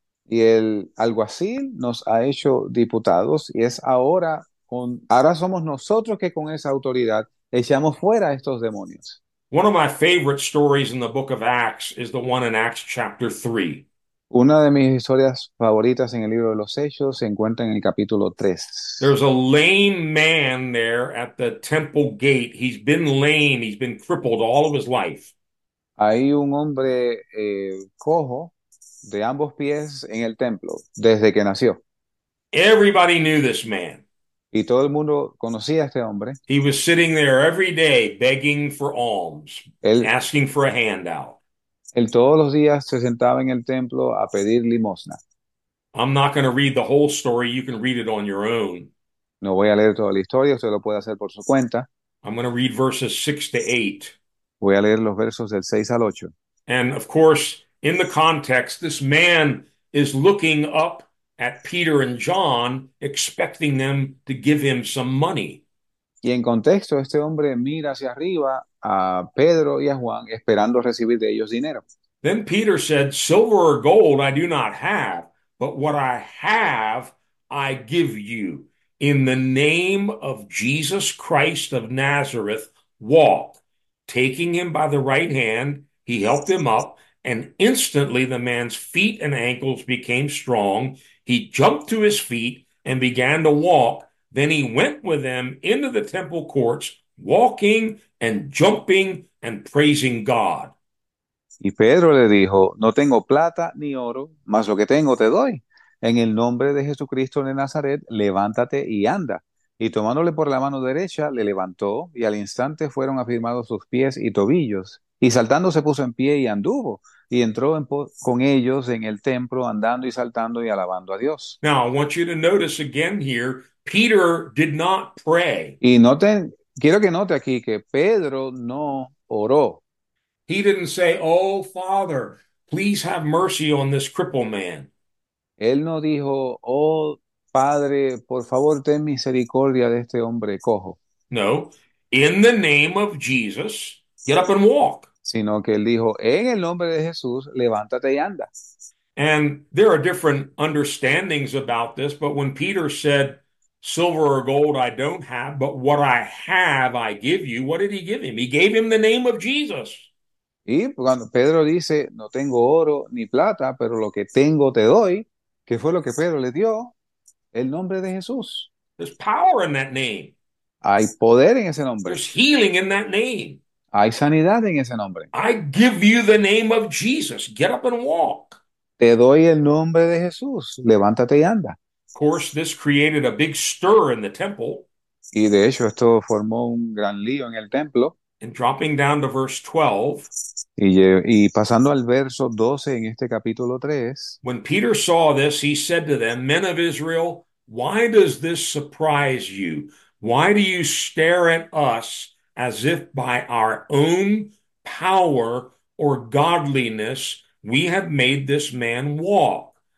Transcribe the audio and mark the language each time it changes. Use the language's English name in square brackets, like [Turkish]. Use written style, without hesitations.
[Spanish] Y el alguacil nos ha hecho diputados y es ahora somos nosotros que con esa autoridad echamos fuera a estos demonios. [English] One of my favorite stories in the book of Acts is the one in Acts chapter 3. [Spanish] Una de mis historias favoritas en el libro de los Hechos se encuentra en el capítulo 3. [English] There's a lame man there at the temple gate. He's been lame. He's been crippled all of his life. [Spanish] Hay un hombre cojo de ambos pies en el templo desde que nació. [English] Everybody knew this man. [Spanish] Y todo el mundo conocía a este hombre. [English] He was sitting there every day begging for alms, [Spanish] Él [English] asking for a handout. [Spanish] todos los días se sentaba en el templo a pedir limosna. [English] I'm not going to read the whole story. You can read it on your own. [Spanish] No voy a leer toda la historia, usted lo puede hacer por su cuenta. [English] I'm going to read verses 6 to 8. [Spanish] Voy a leer los versos del 6 al 8. [English] And of course, in the context, this man is looking up at Peter and John, expecting them to give him some money. [Spanish] Y en contexto, este hombre mira hacia arriba a Pedro y a Juan esperando recibir de ellos dinero. [English] Then Peter said, "Silver or gold I do not have. But what I have, I give you. In the name of Jesus Christ of Nazareth, walk." taking him by the right hand, he helped him up, and instantly the man's feet and ankles became strong. He jumped to his feet and began to walk. Then he went with them into the temple courts, walking and jumping and praising God. [Spanish] Y Pedro le dijo: No tengo plata ni oro, mas lo que tengo te doy. En el nombre de Jesucristo de Nazaret, levántate y anda. Y tomándole por la mano derecha, le levantó, y al instante fueron afirmados sus pies y tobillos. Y saltando se puso en pie y anduvo, y entró con ellos en el templo, andando y saltando y alabando a Dios. [English] Now, I want you to notice again here, Peter did not pray. [Spanish] Y noten, quiero que note aquí que Pedro no oró. [English] He didn't say, "Oh, Father, please have mercy on this crippled man." [Spanish] Él no dijo: Oh Padre, por favor, ten misericordia de este hombre cojo. [English] No, in the name of Jesus, get up and walk. [Spanish] Sino que él dijo: En el nombre de Jesús, levántate y anda. [English] And there are different understandings about this, but when Peter said, "Silver or gold I don't have, but what I have I give you," what did he give him? He gave him the name of Jesus. [Spanish] Y cuando Pedro dice: No tengo oro ni plata, pero lo que tengo te doy. ¿Qué fue lo que Pedro le dio? El nombre de Jesús. [English] There's power in that name. [Spanish] Hay poder en ese nombre. [English] There's healing in that name. [Spanish] Hay sanidad en ese nombre. [English] I give you the name of Jesus. Get up and walk. [Spanish] Te doy el nombre de Jesús. Levántate y anda. [English] Of course, this created a big stir in the temple. [Spanish] Y de hecho, esto formó un gran lío en el templo. [English] And dropping down to verse 12, [Spanish] Y pasando al verso 12 en este capítulo 3. [English] when Peter saw this, he said to them, "Men of Israel, why does this surprise you? Why do you stare at us as if by our own power or godliness we have made this man walk?